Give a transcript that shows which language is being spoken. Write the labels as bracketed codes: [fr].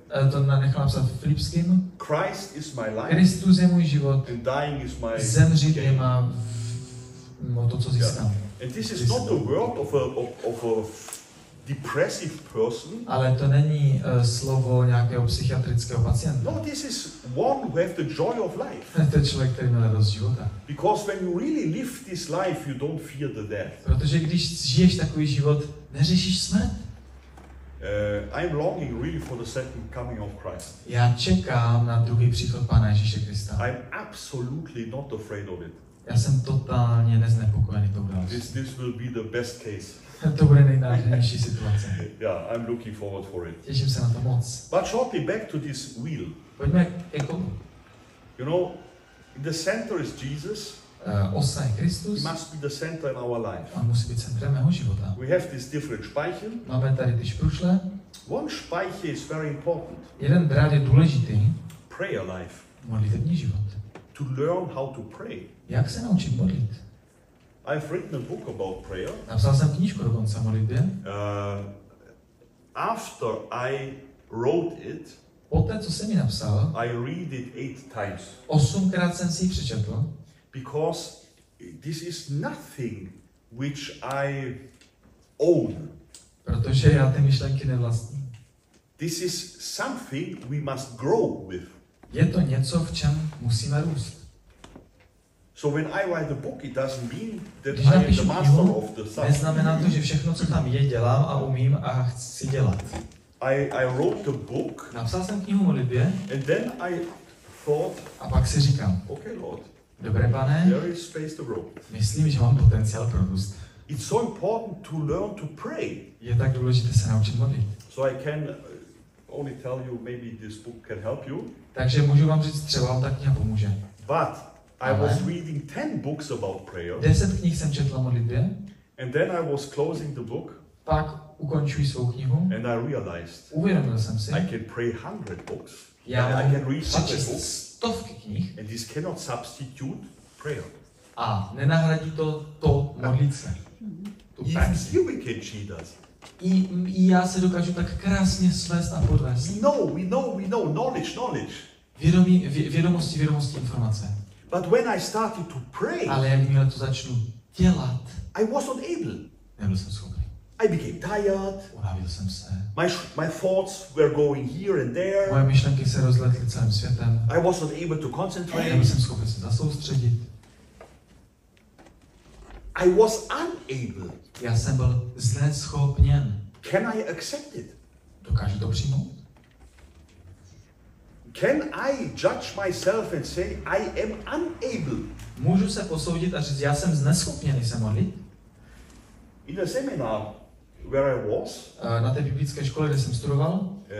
[cs] To na nechal napsat Filipským. [en] Christ is my life. [cs] Kristus je můj život. [en] And dying is my [cs] zemřít je má to, co získám. [en] Yeah. And this is not the word of a depressive person. [cs] Ale to není slovo nějakého psychiatrického pacienta. [en] No, this is one who has the joy of life. [cs] To je člověk, který má radost života. [en] Because when you really live this life, you don't fear the death. [cs] Protože když žiješ takový život, neřešíš smrt. [en] I'm longing really for the second coming of Christ. [cs] Já čekám na druhý příchod Pána Ježíše Krista. [en] I'm absolutely not afraid of it. [cs] Já jsem totálně neznepokojený tou událostí. [en] This will be the best case. [cs] To bude nejnáročnější situace. [en] Yeah, I'm looking forward for it. [cs] Těším se na to moc. [en] But shortly back to this wheel. [cs] Pojďme ke komu. [en] You know, the center is Jesus. [cs] Osa je Kristus. [en] He must be the center in our life. [cs] On musí být centrem mého života. [en] We have this different speichel. [cs] Máme tady ty šprušle. [en] One speichel is very important. [cs] Jeden brát je důležitý. [en] Prayer life. [cs] Modlitevní život. [en] To learn how to pray. [cs] Jak se naučit modlit? [en] I've written a book about prayer. [cs] Napsal jsem knížku dokonce o modlitbě. [en] After I wrote it, [cs] poté, co jsem ji napsal, [en] I read it 8 times. [cs] Osmkrát jsem si ji přečetl. [en] Because this is nothing which I own. [cs] Protože já ty myšlenky nevlastním. [en] This is something we must grow with. [cs] Je to něco, v čem musíme růst. [en] So when I write the book, it doesn't mean that I am the master of the stuff. [cs] Neznamená to, že všechno, co tam je, dělám a umím a chci dělat. [en] I wrote the book. [cs] Napsal jsem knihu o modlitbě. [en] And then I thought. [cs] A pak si říkám. [en] Okay, Lord. [cs] Dobré, Pane. [en] There is space to grow. [cs] Myslím, že mám potenciál pro růst. [en] It's so important to learn to pray. [cs] Je tak důležité se naučit modlit. [en] So I can only tell you maybe this book can help you. [cs] Takže můžu vám říct, třeba vám ta kniha pomůže. [en] But I was reading 10 books about prayer. [cs] 10 knih jsem četl o modlitbě. [en] And then I was closing the book. [cs] Pak ukončuji svou knihu. [en] And I realized. [cs] Uvědomil jsem si. [en] I can pray 100 books. [cs] Já [en] I can read 100 books. [cs] Stovky knih. [en] And this cannot substitute prayer. A nenahradí to to modlit se. [cs] Tu praxi. [en] You we can see that. [cs] I já se dokážu tak krásně svést a podvést. [en] We know, knowledge. [cs] Vědomosti, informace. [en] But when I started to pray, [cs] ale jakmile to začnu dělat, [en] I wasn't able. [cs] Nebyl jsem schopný. [en] I became tired. [cs] Unavil jsem se. [en] My thoughts were going here and there. [cs] Moje myšlenky se rozletly celým světem. [en] I wasn't able to concentrate. [cs] Nebyl jsem schopný se zasoustředit. [en] I was unable. [cs] Já jsem byl zle schopněn. [en] Can I accept it? [cs] Dokážu to přijmout? [en] Can I judge myself and say I am unable? [cs] Můžu se posoudit a říct, já jsem zneschopněný se modlit? [en] In a seminar where I was. [cs] Na té biblické škole, kde jsem studoval.